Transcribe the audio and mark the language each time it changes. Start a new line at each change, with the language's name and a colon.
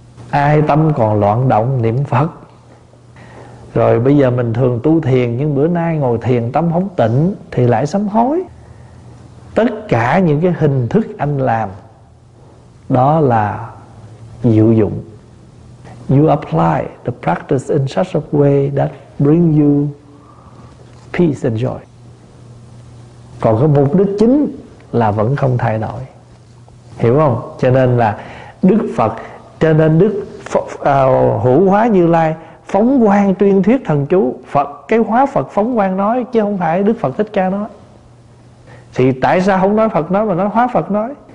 Vietnamese: Ai tâm còn loạn động niệm Phật. Rồi bây giờ mình thường tu thiền, nhưng bữa nay ngồi thiền tâm không tịnh thì lại sám hối. Tất cả những cái hình thức anh làm đó là diệu dụng.
English: You apply the practice in such a way that bring you peace and joy.
Vietnamese: Còn cái mục đích chính là vẫn không thay đổi. Hiểu không? Cho nên là Đức Phật, cho nên Đức Hữu Hóa Như Lai phóng quang tuyên thuyết thần chú Phật, cái hóa Phật phóng quang nói, chứ không phải Đức Phật Thích Ca nói. Thì tại sao không nói Phật nói mà nói hóa Phật nói?